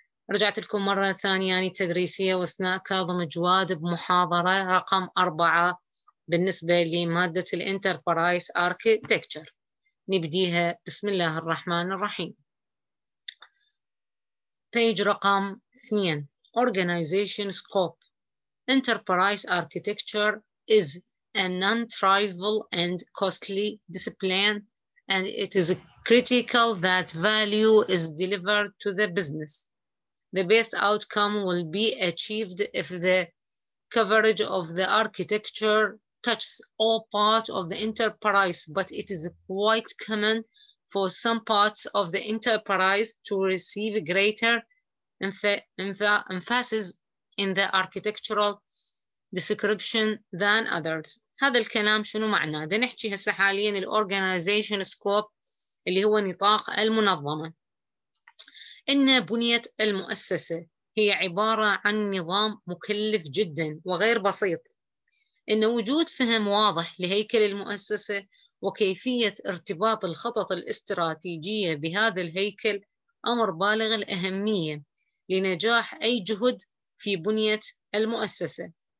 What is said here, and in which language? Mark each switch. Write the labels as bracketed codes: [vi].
[ar] رجعت لكم مرة ثانية، يعني تدريسية وأثناء كاظم جواد بمحاضرة رقم 4 بالنسبة لمادة الانتربرايز أركيتكتشر. نبديها بسم الله الرحمن الرحيم. بيج رقم 2، Organization Scope. [en] Enterprise architecture is a non-trivial and costly discipline, and it is critical that value is delivered to the business. The best outcome will be achieved if the coverage of the architecture touches all parts of the enterprise, but it is quite common for some parts of the enterprise to receive greater emphasis in the architectural description than others. [ar] هذا الكلام شنو معناه؟ ده نحكي هسه حاليا الـ organization scope اللي هو نطاق المنظمة. إن بنية المؤسسة هي عبارة عن نظام مكلف جدا وغير بسيط. إن وجود فهم واضح لهيكل المؤسسة وكيفية ارتباط الخطط الاستراتيجية بهذا الهيكل أمر بالغ الأهمية لنجاح أي جهد في بنية المؤسسة.